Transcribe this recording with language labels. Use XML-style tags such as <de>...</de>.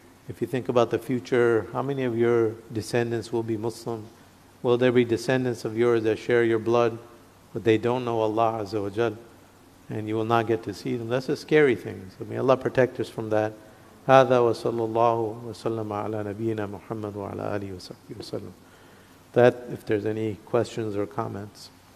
<en>If you think about the future, how many of your descendants will be Muslim? Will there be descendants of yours that share your blood, but they don't know Allah Azza wa Jal, and you will not get to see them? That's a scary thing. So may Allah protect us from that.</en> <ar>هذا وصلى الله وسلم على نبينا محمد وعلى آله وصحبه وسلم.</ar> <en>That, if there's any questions or comments.</en>